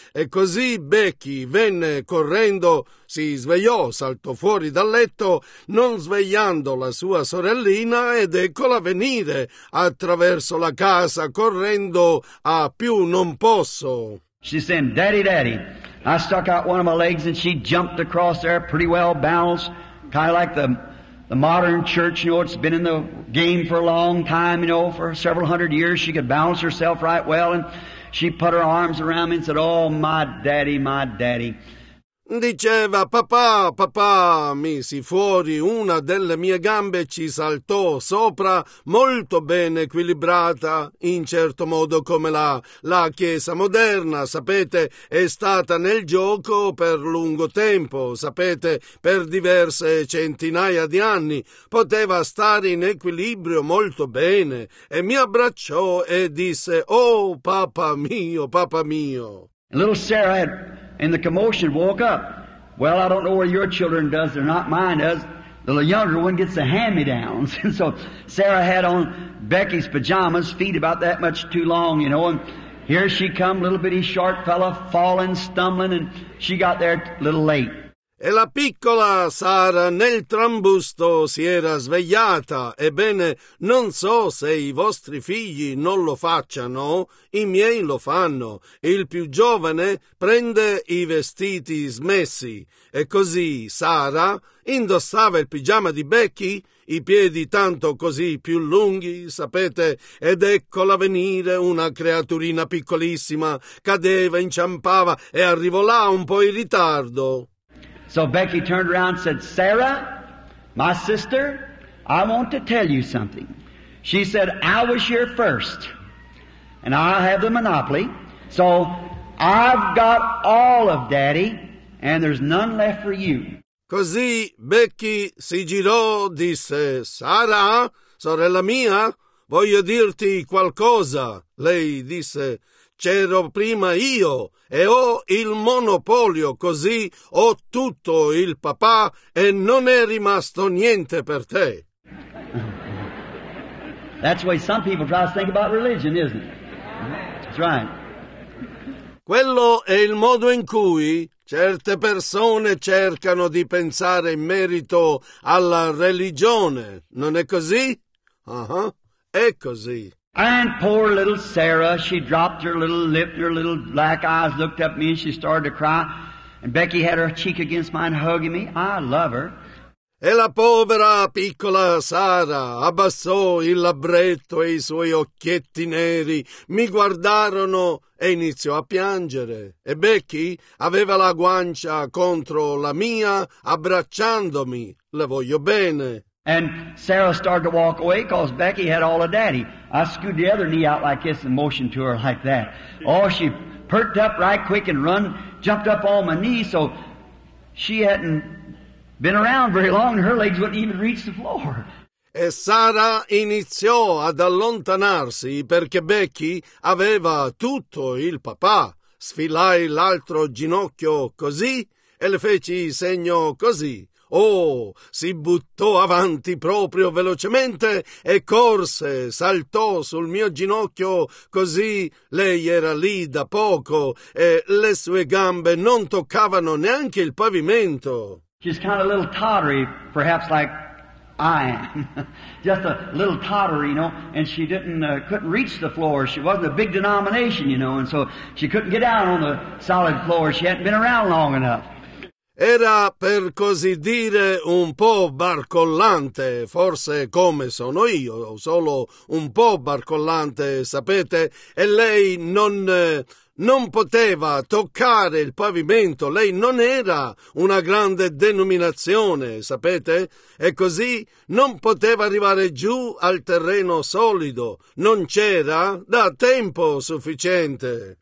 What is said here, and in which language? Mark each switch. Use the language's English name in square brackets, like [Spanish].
[Italian] E così Becky venne correndo, si svegliò, saltò fuori dal letto, non svegliando la sua sorellina, ed eccola venire attraverso la casa, correndo a più non posso. [English] She said, "Daddy, Daddy." I stuck out one of my legs and she jumped across there pretty well balanced, kind of like the modern church, you know, it's been in the game for a long time, you know, for several hundred years. She could balance herself right well, and she put her arms around me and said, "Oh, my daddy, my daddy." [Italian] Diceva, papà, papà, misi fuori una delle mie gambe e ci saltò sopra, molto bene equilibrata, in certo modo come la chiesa moderna, sapete, è stata nel gioco per lungo tempo, sapete, per diverse centinaia di anni, poteva stare in equilibrio molto bene, e mi abbracciò e disse, oh, papà mio, papà mio. [English] Little Sarah, in the commotion, woke up. Well, I don't know where your children does, they're not mine does. The younger one gets the hand-me-downs. And so Sarah had on Becky's pajamas, feet about that much too long, you know, and here she come, little bitty short fella, falling, stumbling, and she got there a little late. [Italian] E la piccola Sara nel trambusto si era svegliata. Ebbene, non so se i vostri figli non lo facciano, i miei lo fanno. Il più giovane prende i vestiti smessi. E così Sara indossava il pigiama di Becky, i piedi tanto così più lunghi, sapete, ed eccola venire una creaturina piccolissima. Cadeva, inciampava e arrivò là un po' in ritardo. [English] So Becky turned around and said, "Sarah, my sister, I want to tell you something." She said, "I was here first, and I have the monopoly. So I've got all of Daddy, and there's none left for you." [Italian] Così Becky si girò, disse, "Sara, sorella mia, voglio dirti qualcosa." Lei disse, "C'ero prima io e ho il monopolio, così ho tutto il papà e non è rimasto niente per te." [English] That's the way some people try to think about religion, isn't it? That's right. [Italian] Quello è il modo in cui certe persone cercano di pensare in merito alla religione, non è così? È così. [English] And poor little Sarah, she dropped her little lip, her little black eyes, looked up at me and she started to cry. And Becky had her cheek against mine, hugging me. I love her. [Italian] E la povera piccola Sara abbassò il labbretto e i suoi occhietti neri mi guardarono e iniziò a piangere. E Becky aveva la guancia contro la mia, abbracciandomi. Le voglio bene. [English] And Sarah started to walk away because Becky had all of Daddy. I scooted the other knee out like this and motioned to her like that. Oh, she perked up right quick and run, jumped up on my knee, so she hadn't been around very long and her legs wouldn't even reach the floor. [Italian] E Sara iniziò ad allontanarsi perché Becky aveva tutto il papà. Sfilai l'altro ginocchio così e le feci segno così. Oh, si buttò avanti proprio velocemente e corse, saltò sul mio ginocchio, così lei era lì da poco e le sue gambe non toccavano neanche il pavimento. [English] She's kind of a little tottery, perhaps like I am. Just a little tottery, you know, and she couldn't reach the floor. She wasn't a big denomination, you know, and so she couldn't get down on the solid floor. She hadn't been around long enough. [Italian] Era, per così dire, un po' barcollante, forse come sono io, solo un po' barcollante, sapete, e lei non poteva toccare il pavimento, lei non era una grande denominazione, sapete, e così non poteva arrivare giù al terreno solido, non c'era da tempo sufficiente.